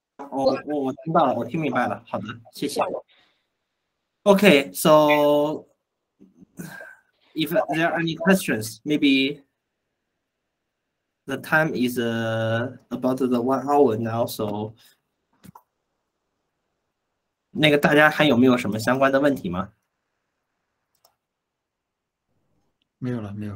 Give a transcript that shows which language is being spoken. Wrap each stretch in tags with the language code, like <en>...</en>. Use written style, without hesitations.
<zh>我听到了，我听明白了。好的，谢谢。</zh> <en>Okay, so if there are any questions, maybe the time is about the 1 hour now.</en> <zh>So, 那个大家还有没有什么相关的问题吗？没有了。</zh>